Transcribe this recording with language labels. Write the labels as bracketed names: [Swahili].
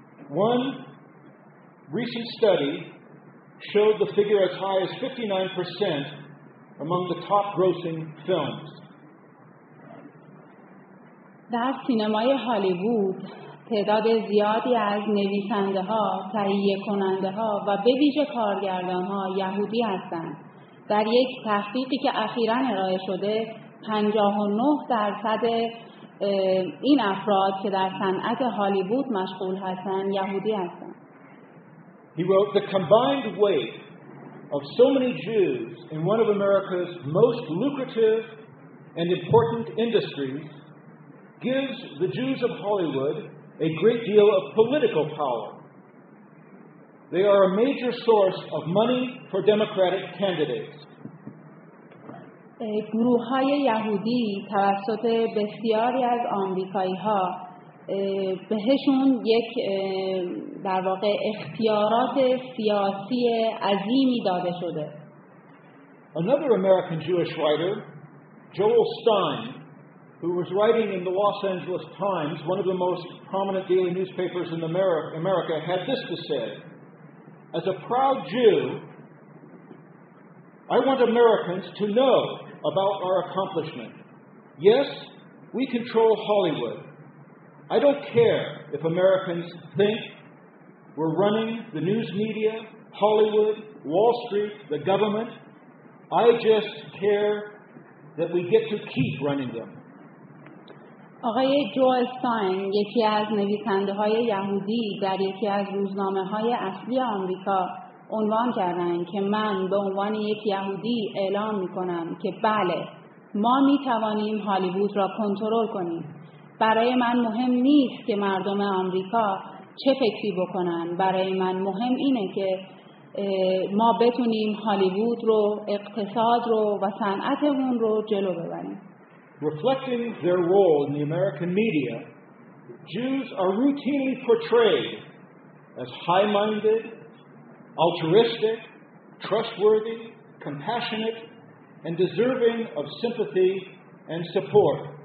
[English] One recent study showed the figure as high as 59% among the top grossing films. [Persian] در سینمای هالیوود تعداد زیادی از نویسنده ها، تهیه کننده ها و به ویژه کارگردان ها یهودی هستند. در یک تحقیقی که اخیراً ارائه شده 59% این افراد که در صنعت هالیوود مشغول هستند یهودی هستند. [English] He wrote, the combined weight of so many Jews in one of America's most lucrative and important industries gives the Jews of Hollywood a great deal of political power. They are a major source of money for Democratic candidates. [Persian] گروه‌های یهودی توسط بسیاری از آمریکایی‌ها بهشون یک در واقع اختیارات سیاسی عظیمی داده شده. [English] Another American Jewish writer, Joel Stein, who was writing in the Los Angeles Times, one of the most prominent daily newspapers in America, had this to say: As a proud Jew, I want Americans to know about our accomplishment. Yes, we control Hollywood. I don't care if Americans think we're running the news media, Hollywood, Wall Street, the government. I just care that we get to keep running them. [Persian] آقای جوئل استاین، یکی از نویسنده‌های یهودی در یکی از روزنامه‌های اصلی آمریکا عنوان کردن که من به عنوان یک یهودی اعلام می‌کنم که بله، ما می‌توانیم هالیوود را کنترل کنیم. برای من مهم نیست که مردم آمریکا چه فکری بکنن، برای من مهم اینه که ما بتونیم هالیوود رو، اقتصاد رو و صنعتمون رو جلو ببریم. [English] Reflecting their role in the American media, Jews are routinely portrayed as high-minded, altruistic, trustworthy, compassionate, and deserving of sympathy and support.